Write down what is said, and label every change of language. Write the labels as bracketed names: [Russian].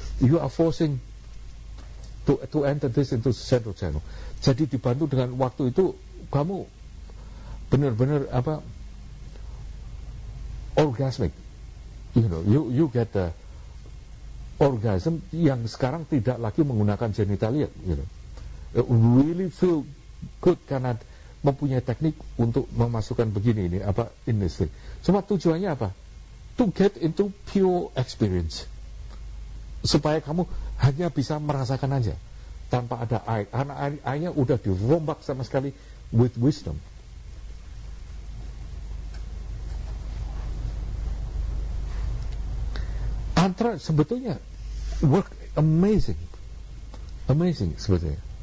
[English] You are forcing to enter this into central channel. [Indonesian] Jadi dibantu dengan waktu itu kamu benar-benar apa orgasmic. [English] You know, you get the orgasm [Indonesian] yang sekarang tidak lagi menggunakan genitalia, [English] you know. Really feel good [Indonesian] karena mempunyai teknik untuk memasukkan begini ini apa [English] in this thing. [Indonesian] Cuma tujuannya apa? [English] To get into pure experience. [Indonesian] Supaya kamu hanya bisa merasakan aja tanpa ada air. Karena airnya udah dirombak sama sekali [English] with wisdom. [Indonesian] Antara sebetulnya [English] work amazing. [Indonesian] Amazing sebetulnya.